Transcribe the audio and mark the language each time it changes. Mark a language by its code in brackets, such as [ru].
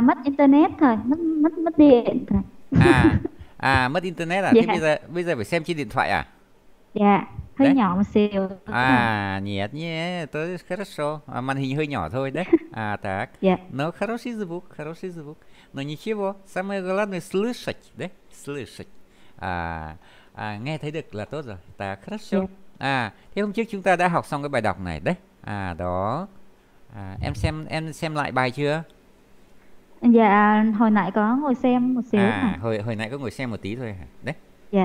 [vi] mất internet thôi, mất mất mất điện thôi. À. À mất internet à? Dạ. Thế bây giờ phải xem trên điện thoại à? Dạ, hơi Đấy. nhỏ một xíu thôi. À, nhiệt nhé, tôi [ru] хорошо. [vi] À, màn hình hơi nhỏ thôi đấy. [ru] À, так. Но хороший звук. Но ничего, самое главное слышать, đấy, слышать. [vi] А, nghe thấy được là tốt rồi. [ru] Так, хорошо. [vi] À, thế hôm trước chúng ta đã học xong cái bài đọc này đấy. À, đó. À, em xem lại bài chưa? Dạ, hồi nãy có ngồi xem một xíu thôi. À, hồi hồi nãy có ngồi xem một tí thôi hả? Đấy. Dạ,